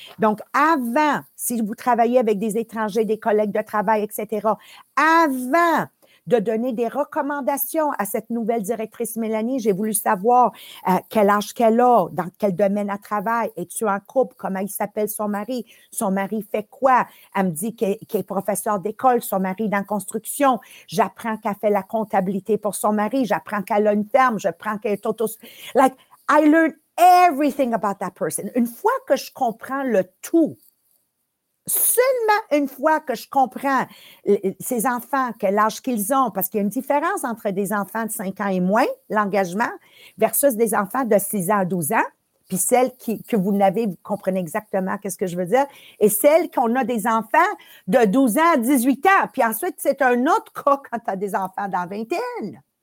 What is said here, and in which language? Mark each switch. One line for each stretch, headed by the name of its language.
French: Donc, avant, si vous travaillez avec des étrangers, des collègues de travail, etc., avant de donner des recommandations à cette nouvelle directrice Mélanie, j'ai voulu savoir quel âge qu'elle a, dans quel domaine elle travaille, es-tu en couple, comment il s'appelle son mari fait quoi, elle me dit qu'elle est professeure d'école, son mari dans construction, j'apprends qu'elle fait la comptabilité pour son mari, j'apprends qu'elle a une ferme, j'apprends qu'elle est auto...
English: Like, I learn everything about that person.
French: Une fois que je comprends le tout, seulement une fois que je comprends ces enfants, quel âge qu'ils ont, parce qu'il y a une différence entre des enfants de 5 ans et moins, l'engagement, versus des enfants de 6 ans à 12 ans, puis celles que vous n'avez, vous comprenez exactement qu'est-ce que je veux dire, et celles qu'on a des enfants de 12 ans à 18 ans, puis ensuite c'est un autre cas quand tu as des enfants dans vingtaine.